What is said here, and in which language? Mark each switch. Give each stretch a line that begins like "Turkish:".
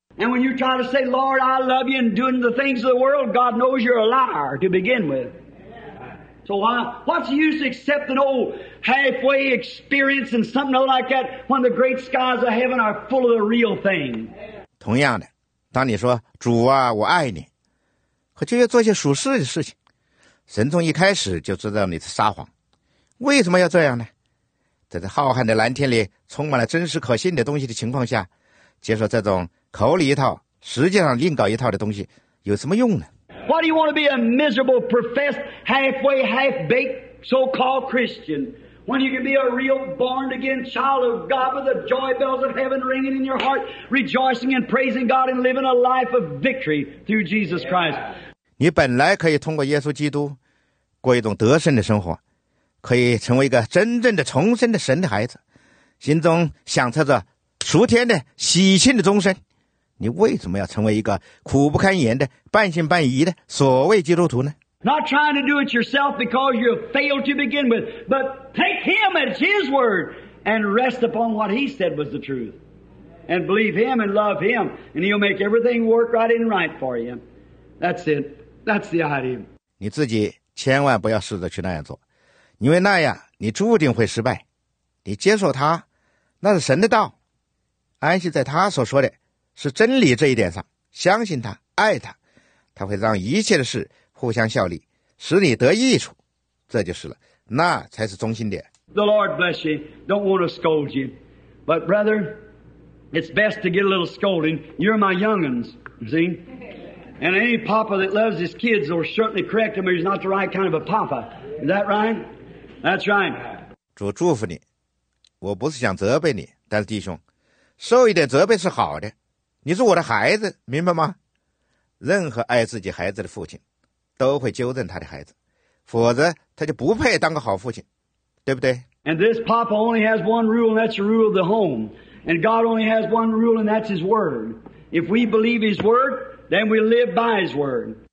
English: And when you try to say, Lord, I love you and doing the things of the world, God knows you're a liar to begin with. So why, what's the use of accepting old halfway experience and something like that when the great skies of heaven are full of the real thing?
Chinese: 同样的，当你说主啊我爱你，可就要做些属实的事情。神从一开始就知道你是撒谎，为什么要这样呢？在这浩瀚的蓝天里充满了真实可信的东西的情况下，接受这种口里一套实际上另搞一套的东西有什么用呢？
English: Why do you want to be a miserable professed halfway half-baked so-called Christian when you can be a real born-again child of God with the joy bells of heaven ringing in your heart, rejoicing and praising God and living a life of victory through Jesus Christ?
Chinese: 你本来可以通过耶稣基督过一种得胜的生活，可以成为一个真正的重生的神的孩子，心中享受着属天的喜庆的终身。你为什么要成为一个苦不堪言的半信半疑的所谓基督徒呢？
English: Not trying to do it yourself because you failed to begin with, but take him at his word and rest upon what he said was the truth and believe him and love him and he'll make everything work right and right for you. That's it. That's the idea.
Chinese: 你自己千万不要试着去那样做，因为那样你注定会失败。你接受他，那是神的道，安息在他所说的是真理这一点上，相信他，爱他，他会让一切的事互相效力，使你得益处，这就是了，那才是中心点。
English: The Lord bless you. Don't want to scold you, but brother, it's best to get a little scolding. You're my young'uns, see? And any papa that loves his kids will certainly correct him, or he's not the right kind of a papa. Is that right? That's right.
Chinese: 主祝福你，我不是想责备你，但是弟兄，受一点责备是好的。你是我的孩子，明白吗？任何爱自己孩子的父亲都会纠正他的孩子，否则他就不配当个好父亲，对不对？
English: And this papa only has one rule, and that's the rule of the home. And God only has one rule, and that's his word. If we believe his word, then we live by his word.